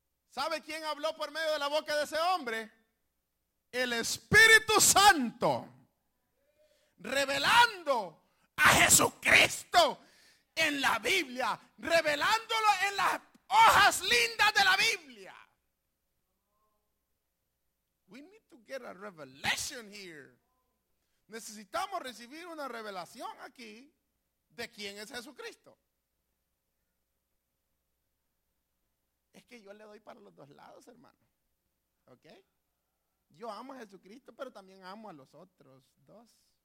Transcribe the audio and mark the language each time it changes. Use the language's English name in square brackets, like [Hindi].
[Spanish] ¿Sabe quién habló por medio de la boca de ese hombre? El Espíritu Santo. Revelando a Jesucristo en la Biblia. Revelándolo en las hojas lindas de la Biblia. [English] We need to get a revelation here. [Spanish] Necesitamos recibir una revelación aquí de quién es Jesucristo. Es que yo le doy para los dos lados, hermano. ¿Ok? Yo amo a Jesucristo, pero también amo a los otros dos.